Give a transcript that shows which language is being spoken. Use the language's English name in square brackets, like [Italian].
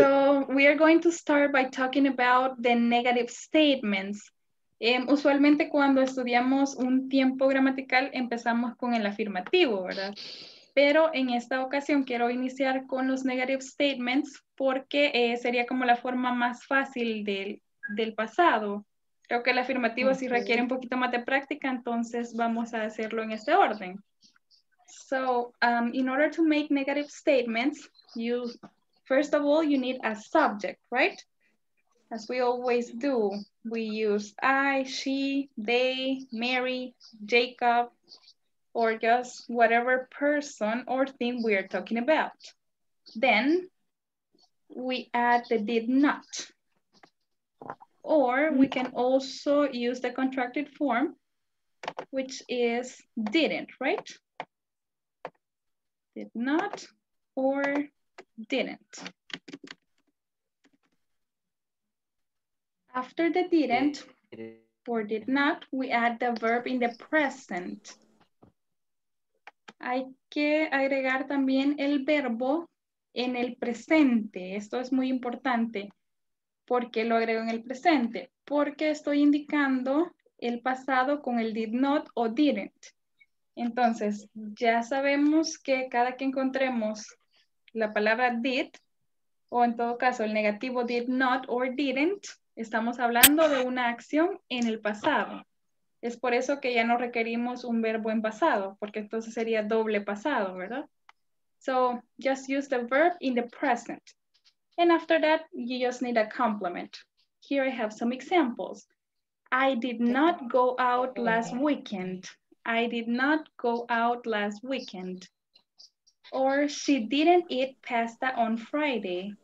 [English] So we are going to start by talking about the negative statements. [Spanish] Usualmente cuando estudiamos un tiempo gramatical empezamos con el afirmativo, ¿verdad? Pero en esta ocasión quiero iniciar con los [English] negative statements [Spanish] porque sería como la forma más fácil del pasado. Creo que el afirmativo sí requiere un poquito más de práctica, entonces vamos a hacerlo en este orden. [English] So, in order to make negative statements, you first of all, you need a subject, right? As we always do, we use I, she, they, Mary, Jacob, or just whatever person or thing we are talking about. Then we add the did not. Or we can also use the contracted form, which is didn't, right? Did not or didn't. After the didn't or did not, we add the verb in the present. [Spanish] Hay que agregar también el verbo en el presente. Esto es muy importante. ¿Por qué lo agrego en el presente? Porque estoy indicando el pasado con el did not o didn't. Entonces, ya sabemos que cada que encontremos la palabra did, o en todo caso el negativo [English] did not or didn't, [Spanish] estamos hablando de una acción en el pasado. Es por eso que ya no requerimos un verbo en pasado, porque entonces sería doble pasado, ¿verdad? [English] So, just use the verb in the present. And after that, you just need a complement. Here I have some examples. I did not go out last weekend. I did not go out last weekend. Or she didn't eat pasta on Friday.